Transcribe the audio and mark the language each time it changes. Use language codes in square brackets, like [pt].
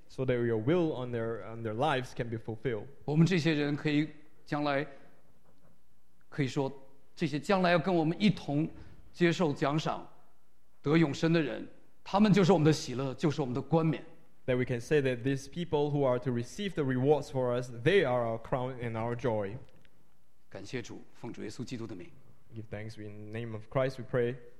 [en] So that your will on their lives can be fulfilled. [zh] 我们这些人可以将来可以说，这些将来要跟我们一同接受奖赏得永生的人，他们就是我们的喜乐，就是我们的冠冕。 [en] That we can say that these people who are to receive the rewards for us, they are our crown and our joy. [zh] 感谢主，奉主耶稣基督的名。 [en] Give thanks in the name of Christ, we pray.